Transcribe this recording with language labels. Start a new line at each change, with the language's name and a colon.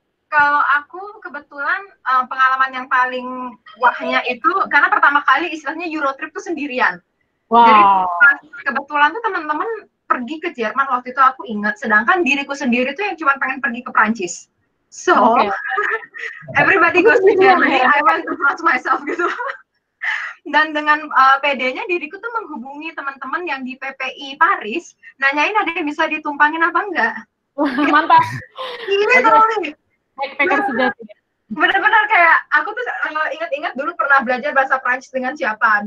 Indonesian: Kalau aku kebetulan pengalaman yang paling wahnya itu karena pertama kali istilahnya Eurotrip tuh sendirian. Wow. Jadi kebetulan tuh teman-teman pergi ke Jerman waktu itu aku ingat, sedangkan diriku sendiri tuh yang cuma pengen pergi ke Prancis.
English: So, okay. Everybody goes to Germany, I want to France myself gitu.
Indonesian: Dan dengan PD-nya diriku tuh menghubungi teman-teman yang di PPI Paris, nanyain ada yang bisa ditumpangin apa enggak. Mantap. Gini tau nih. Benar-benar kayak aku tuh ingat-ingat dulu pernah belajar bahasa Prancis dengan siapa.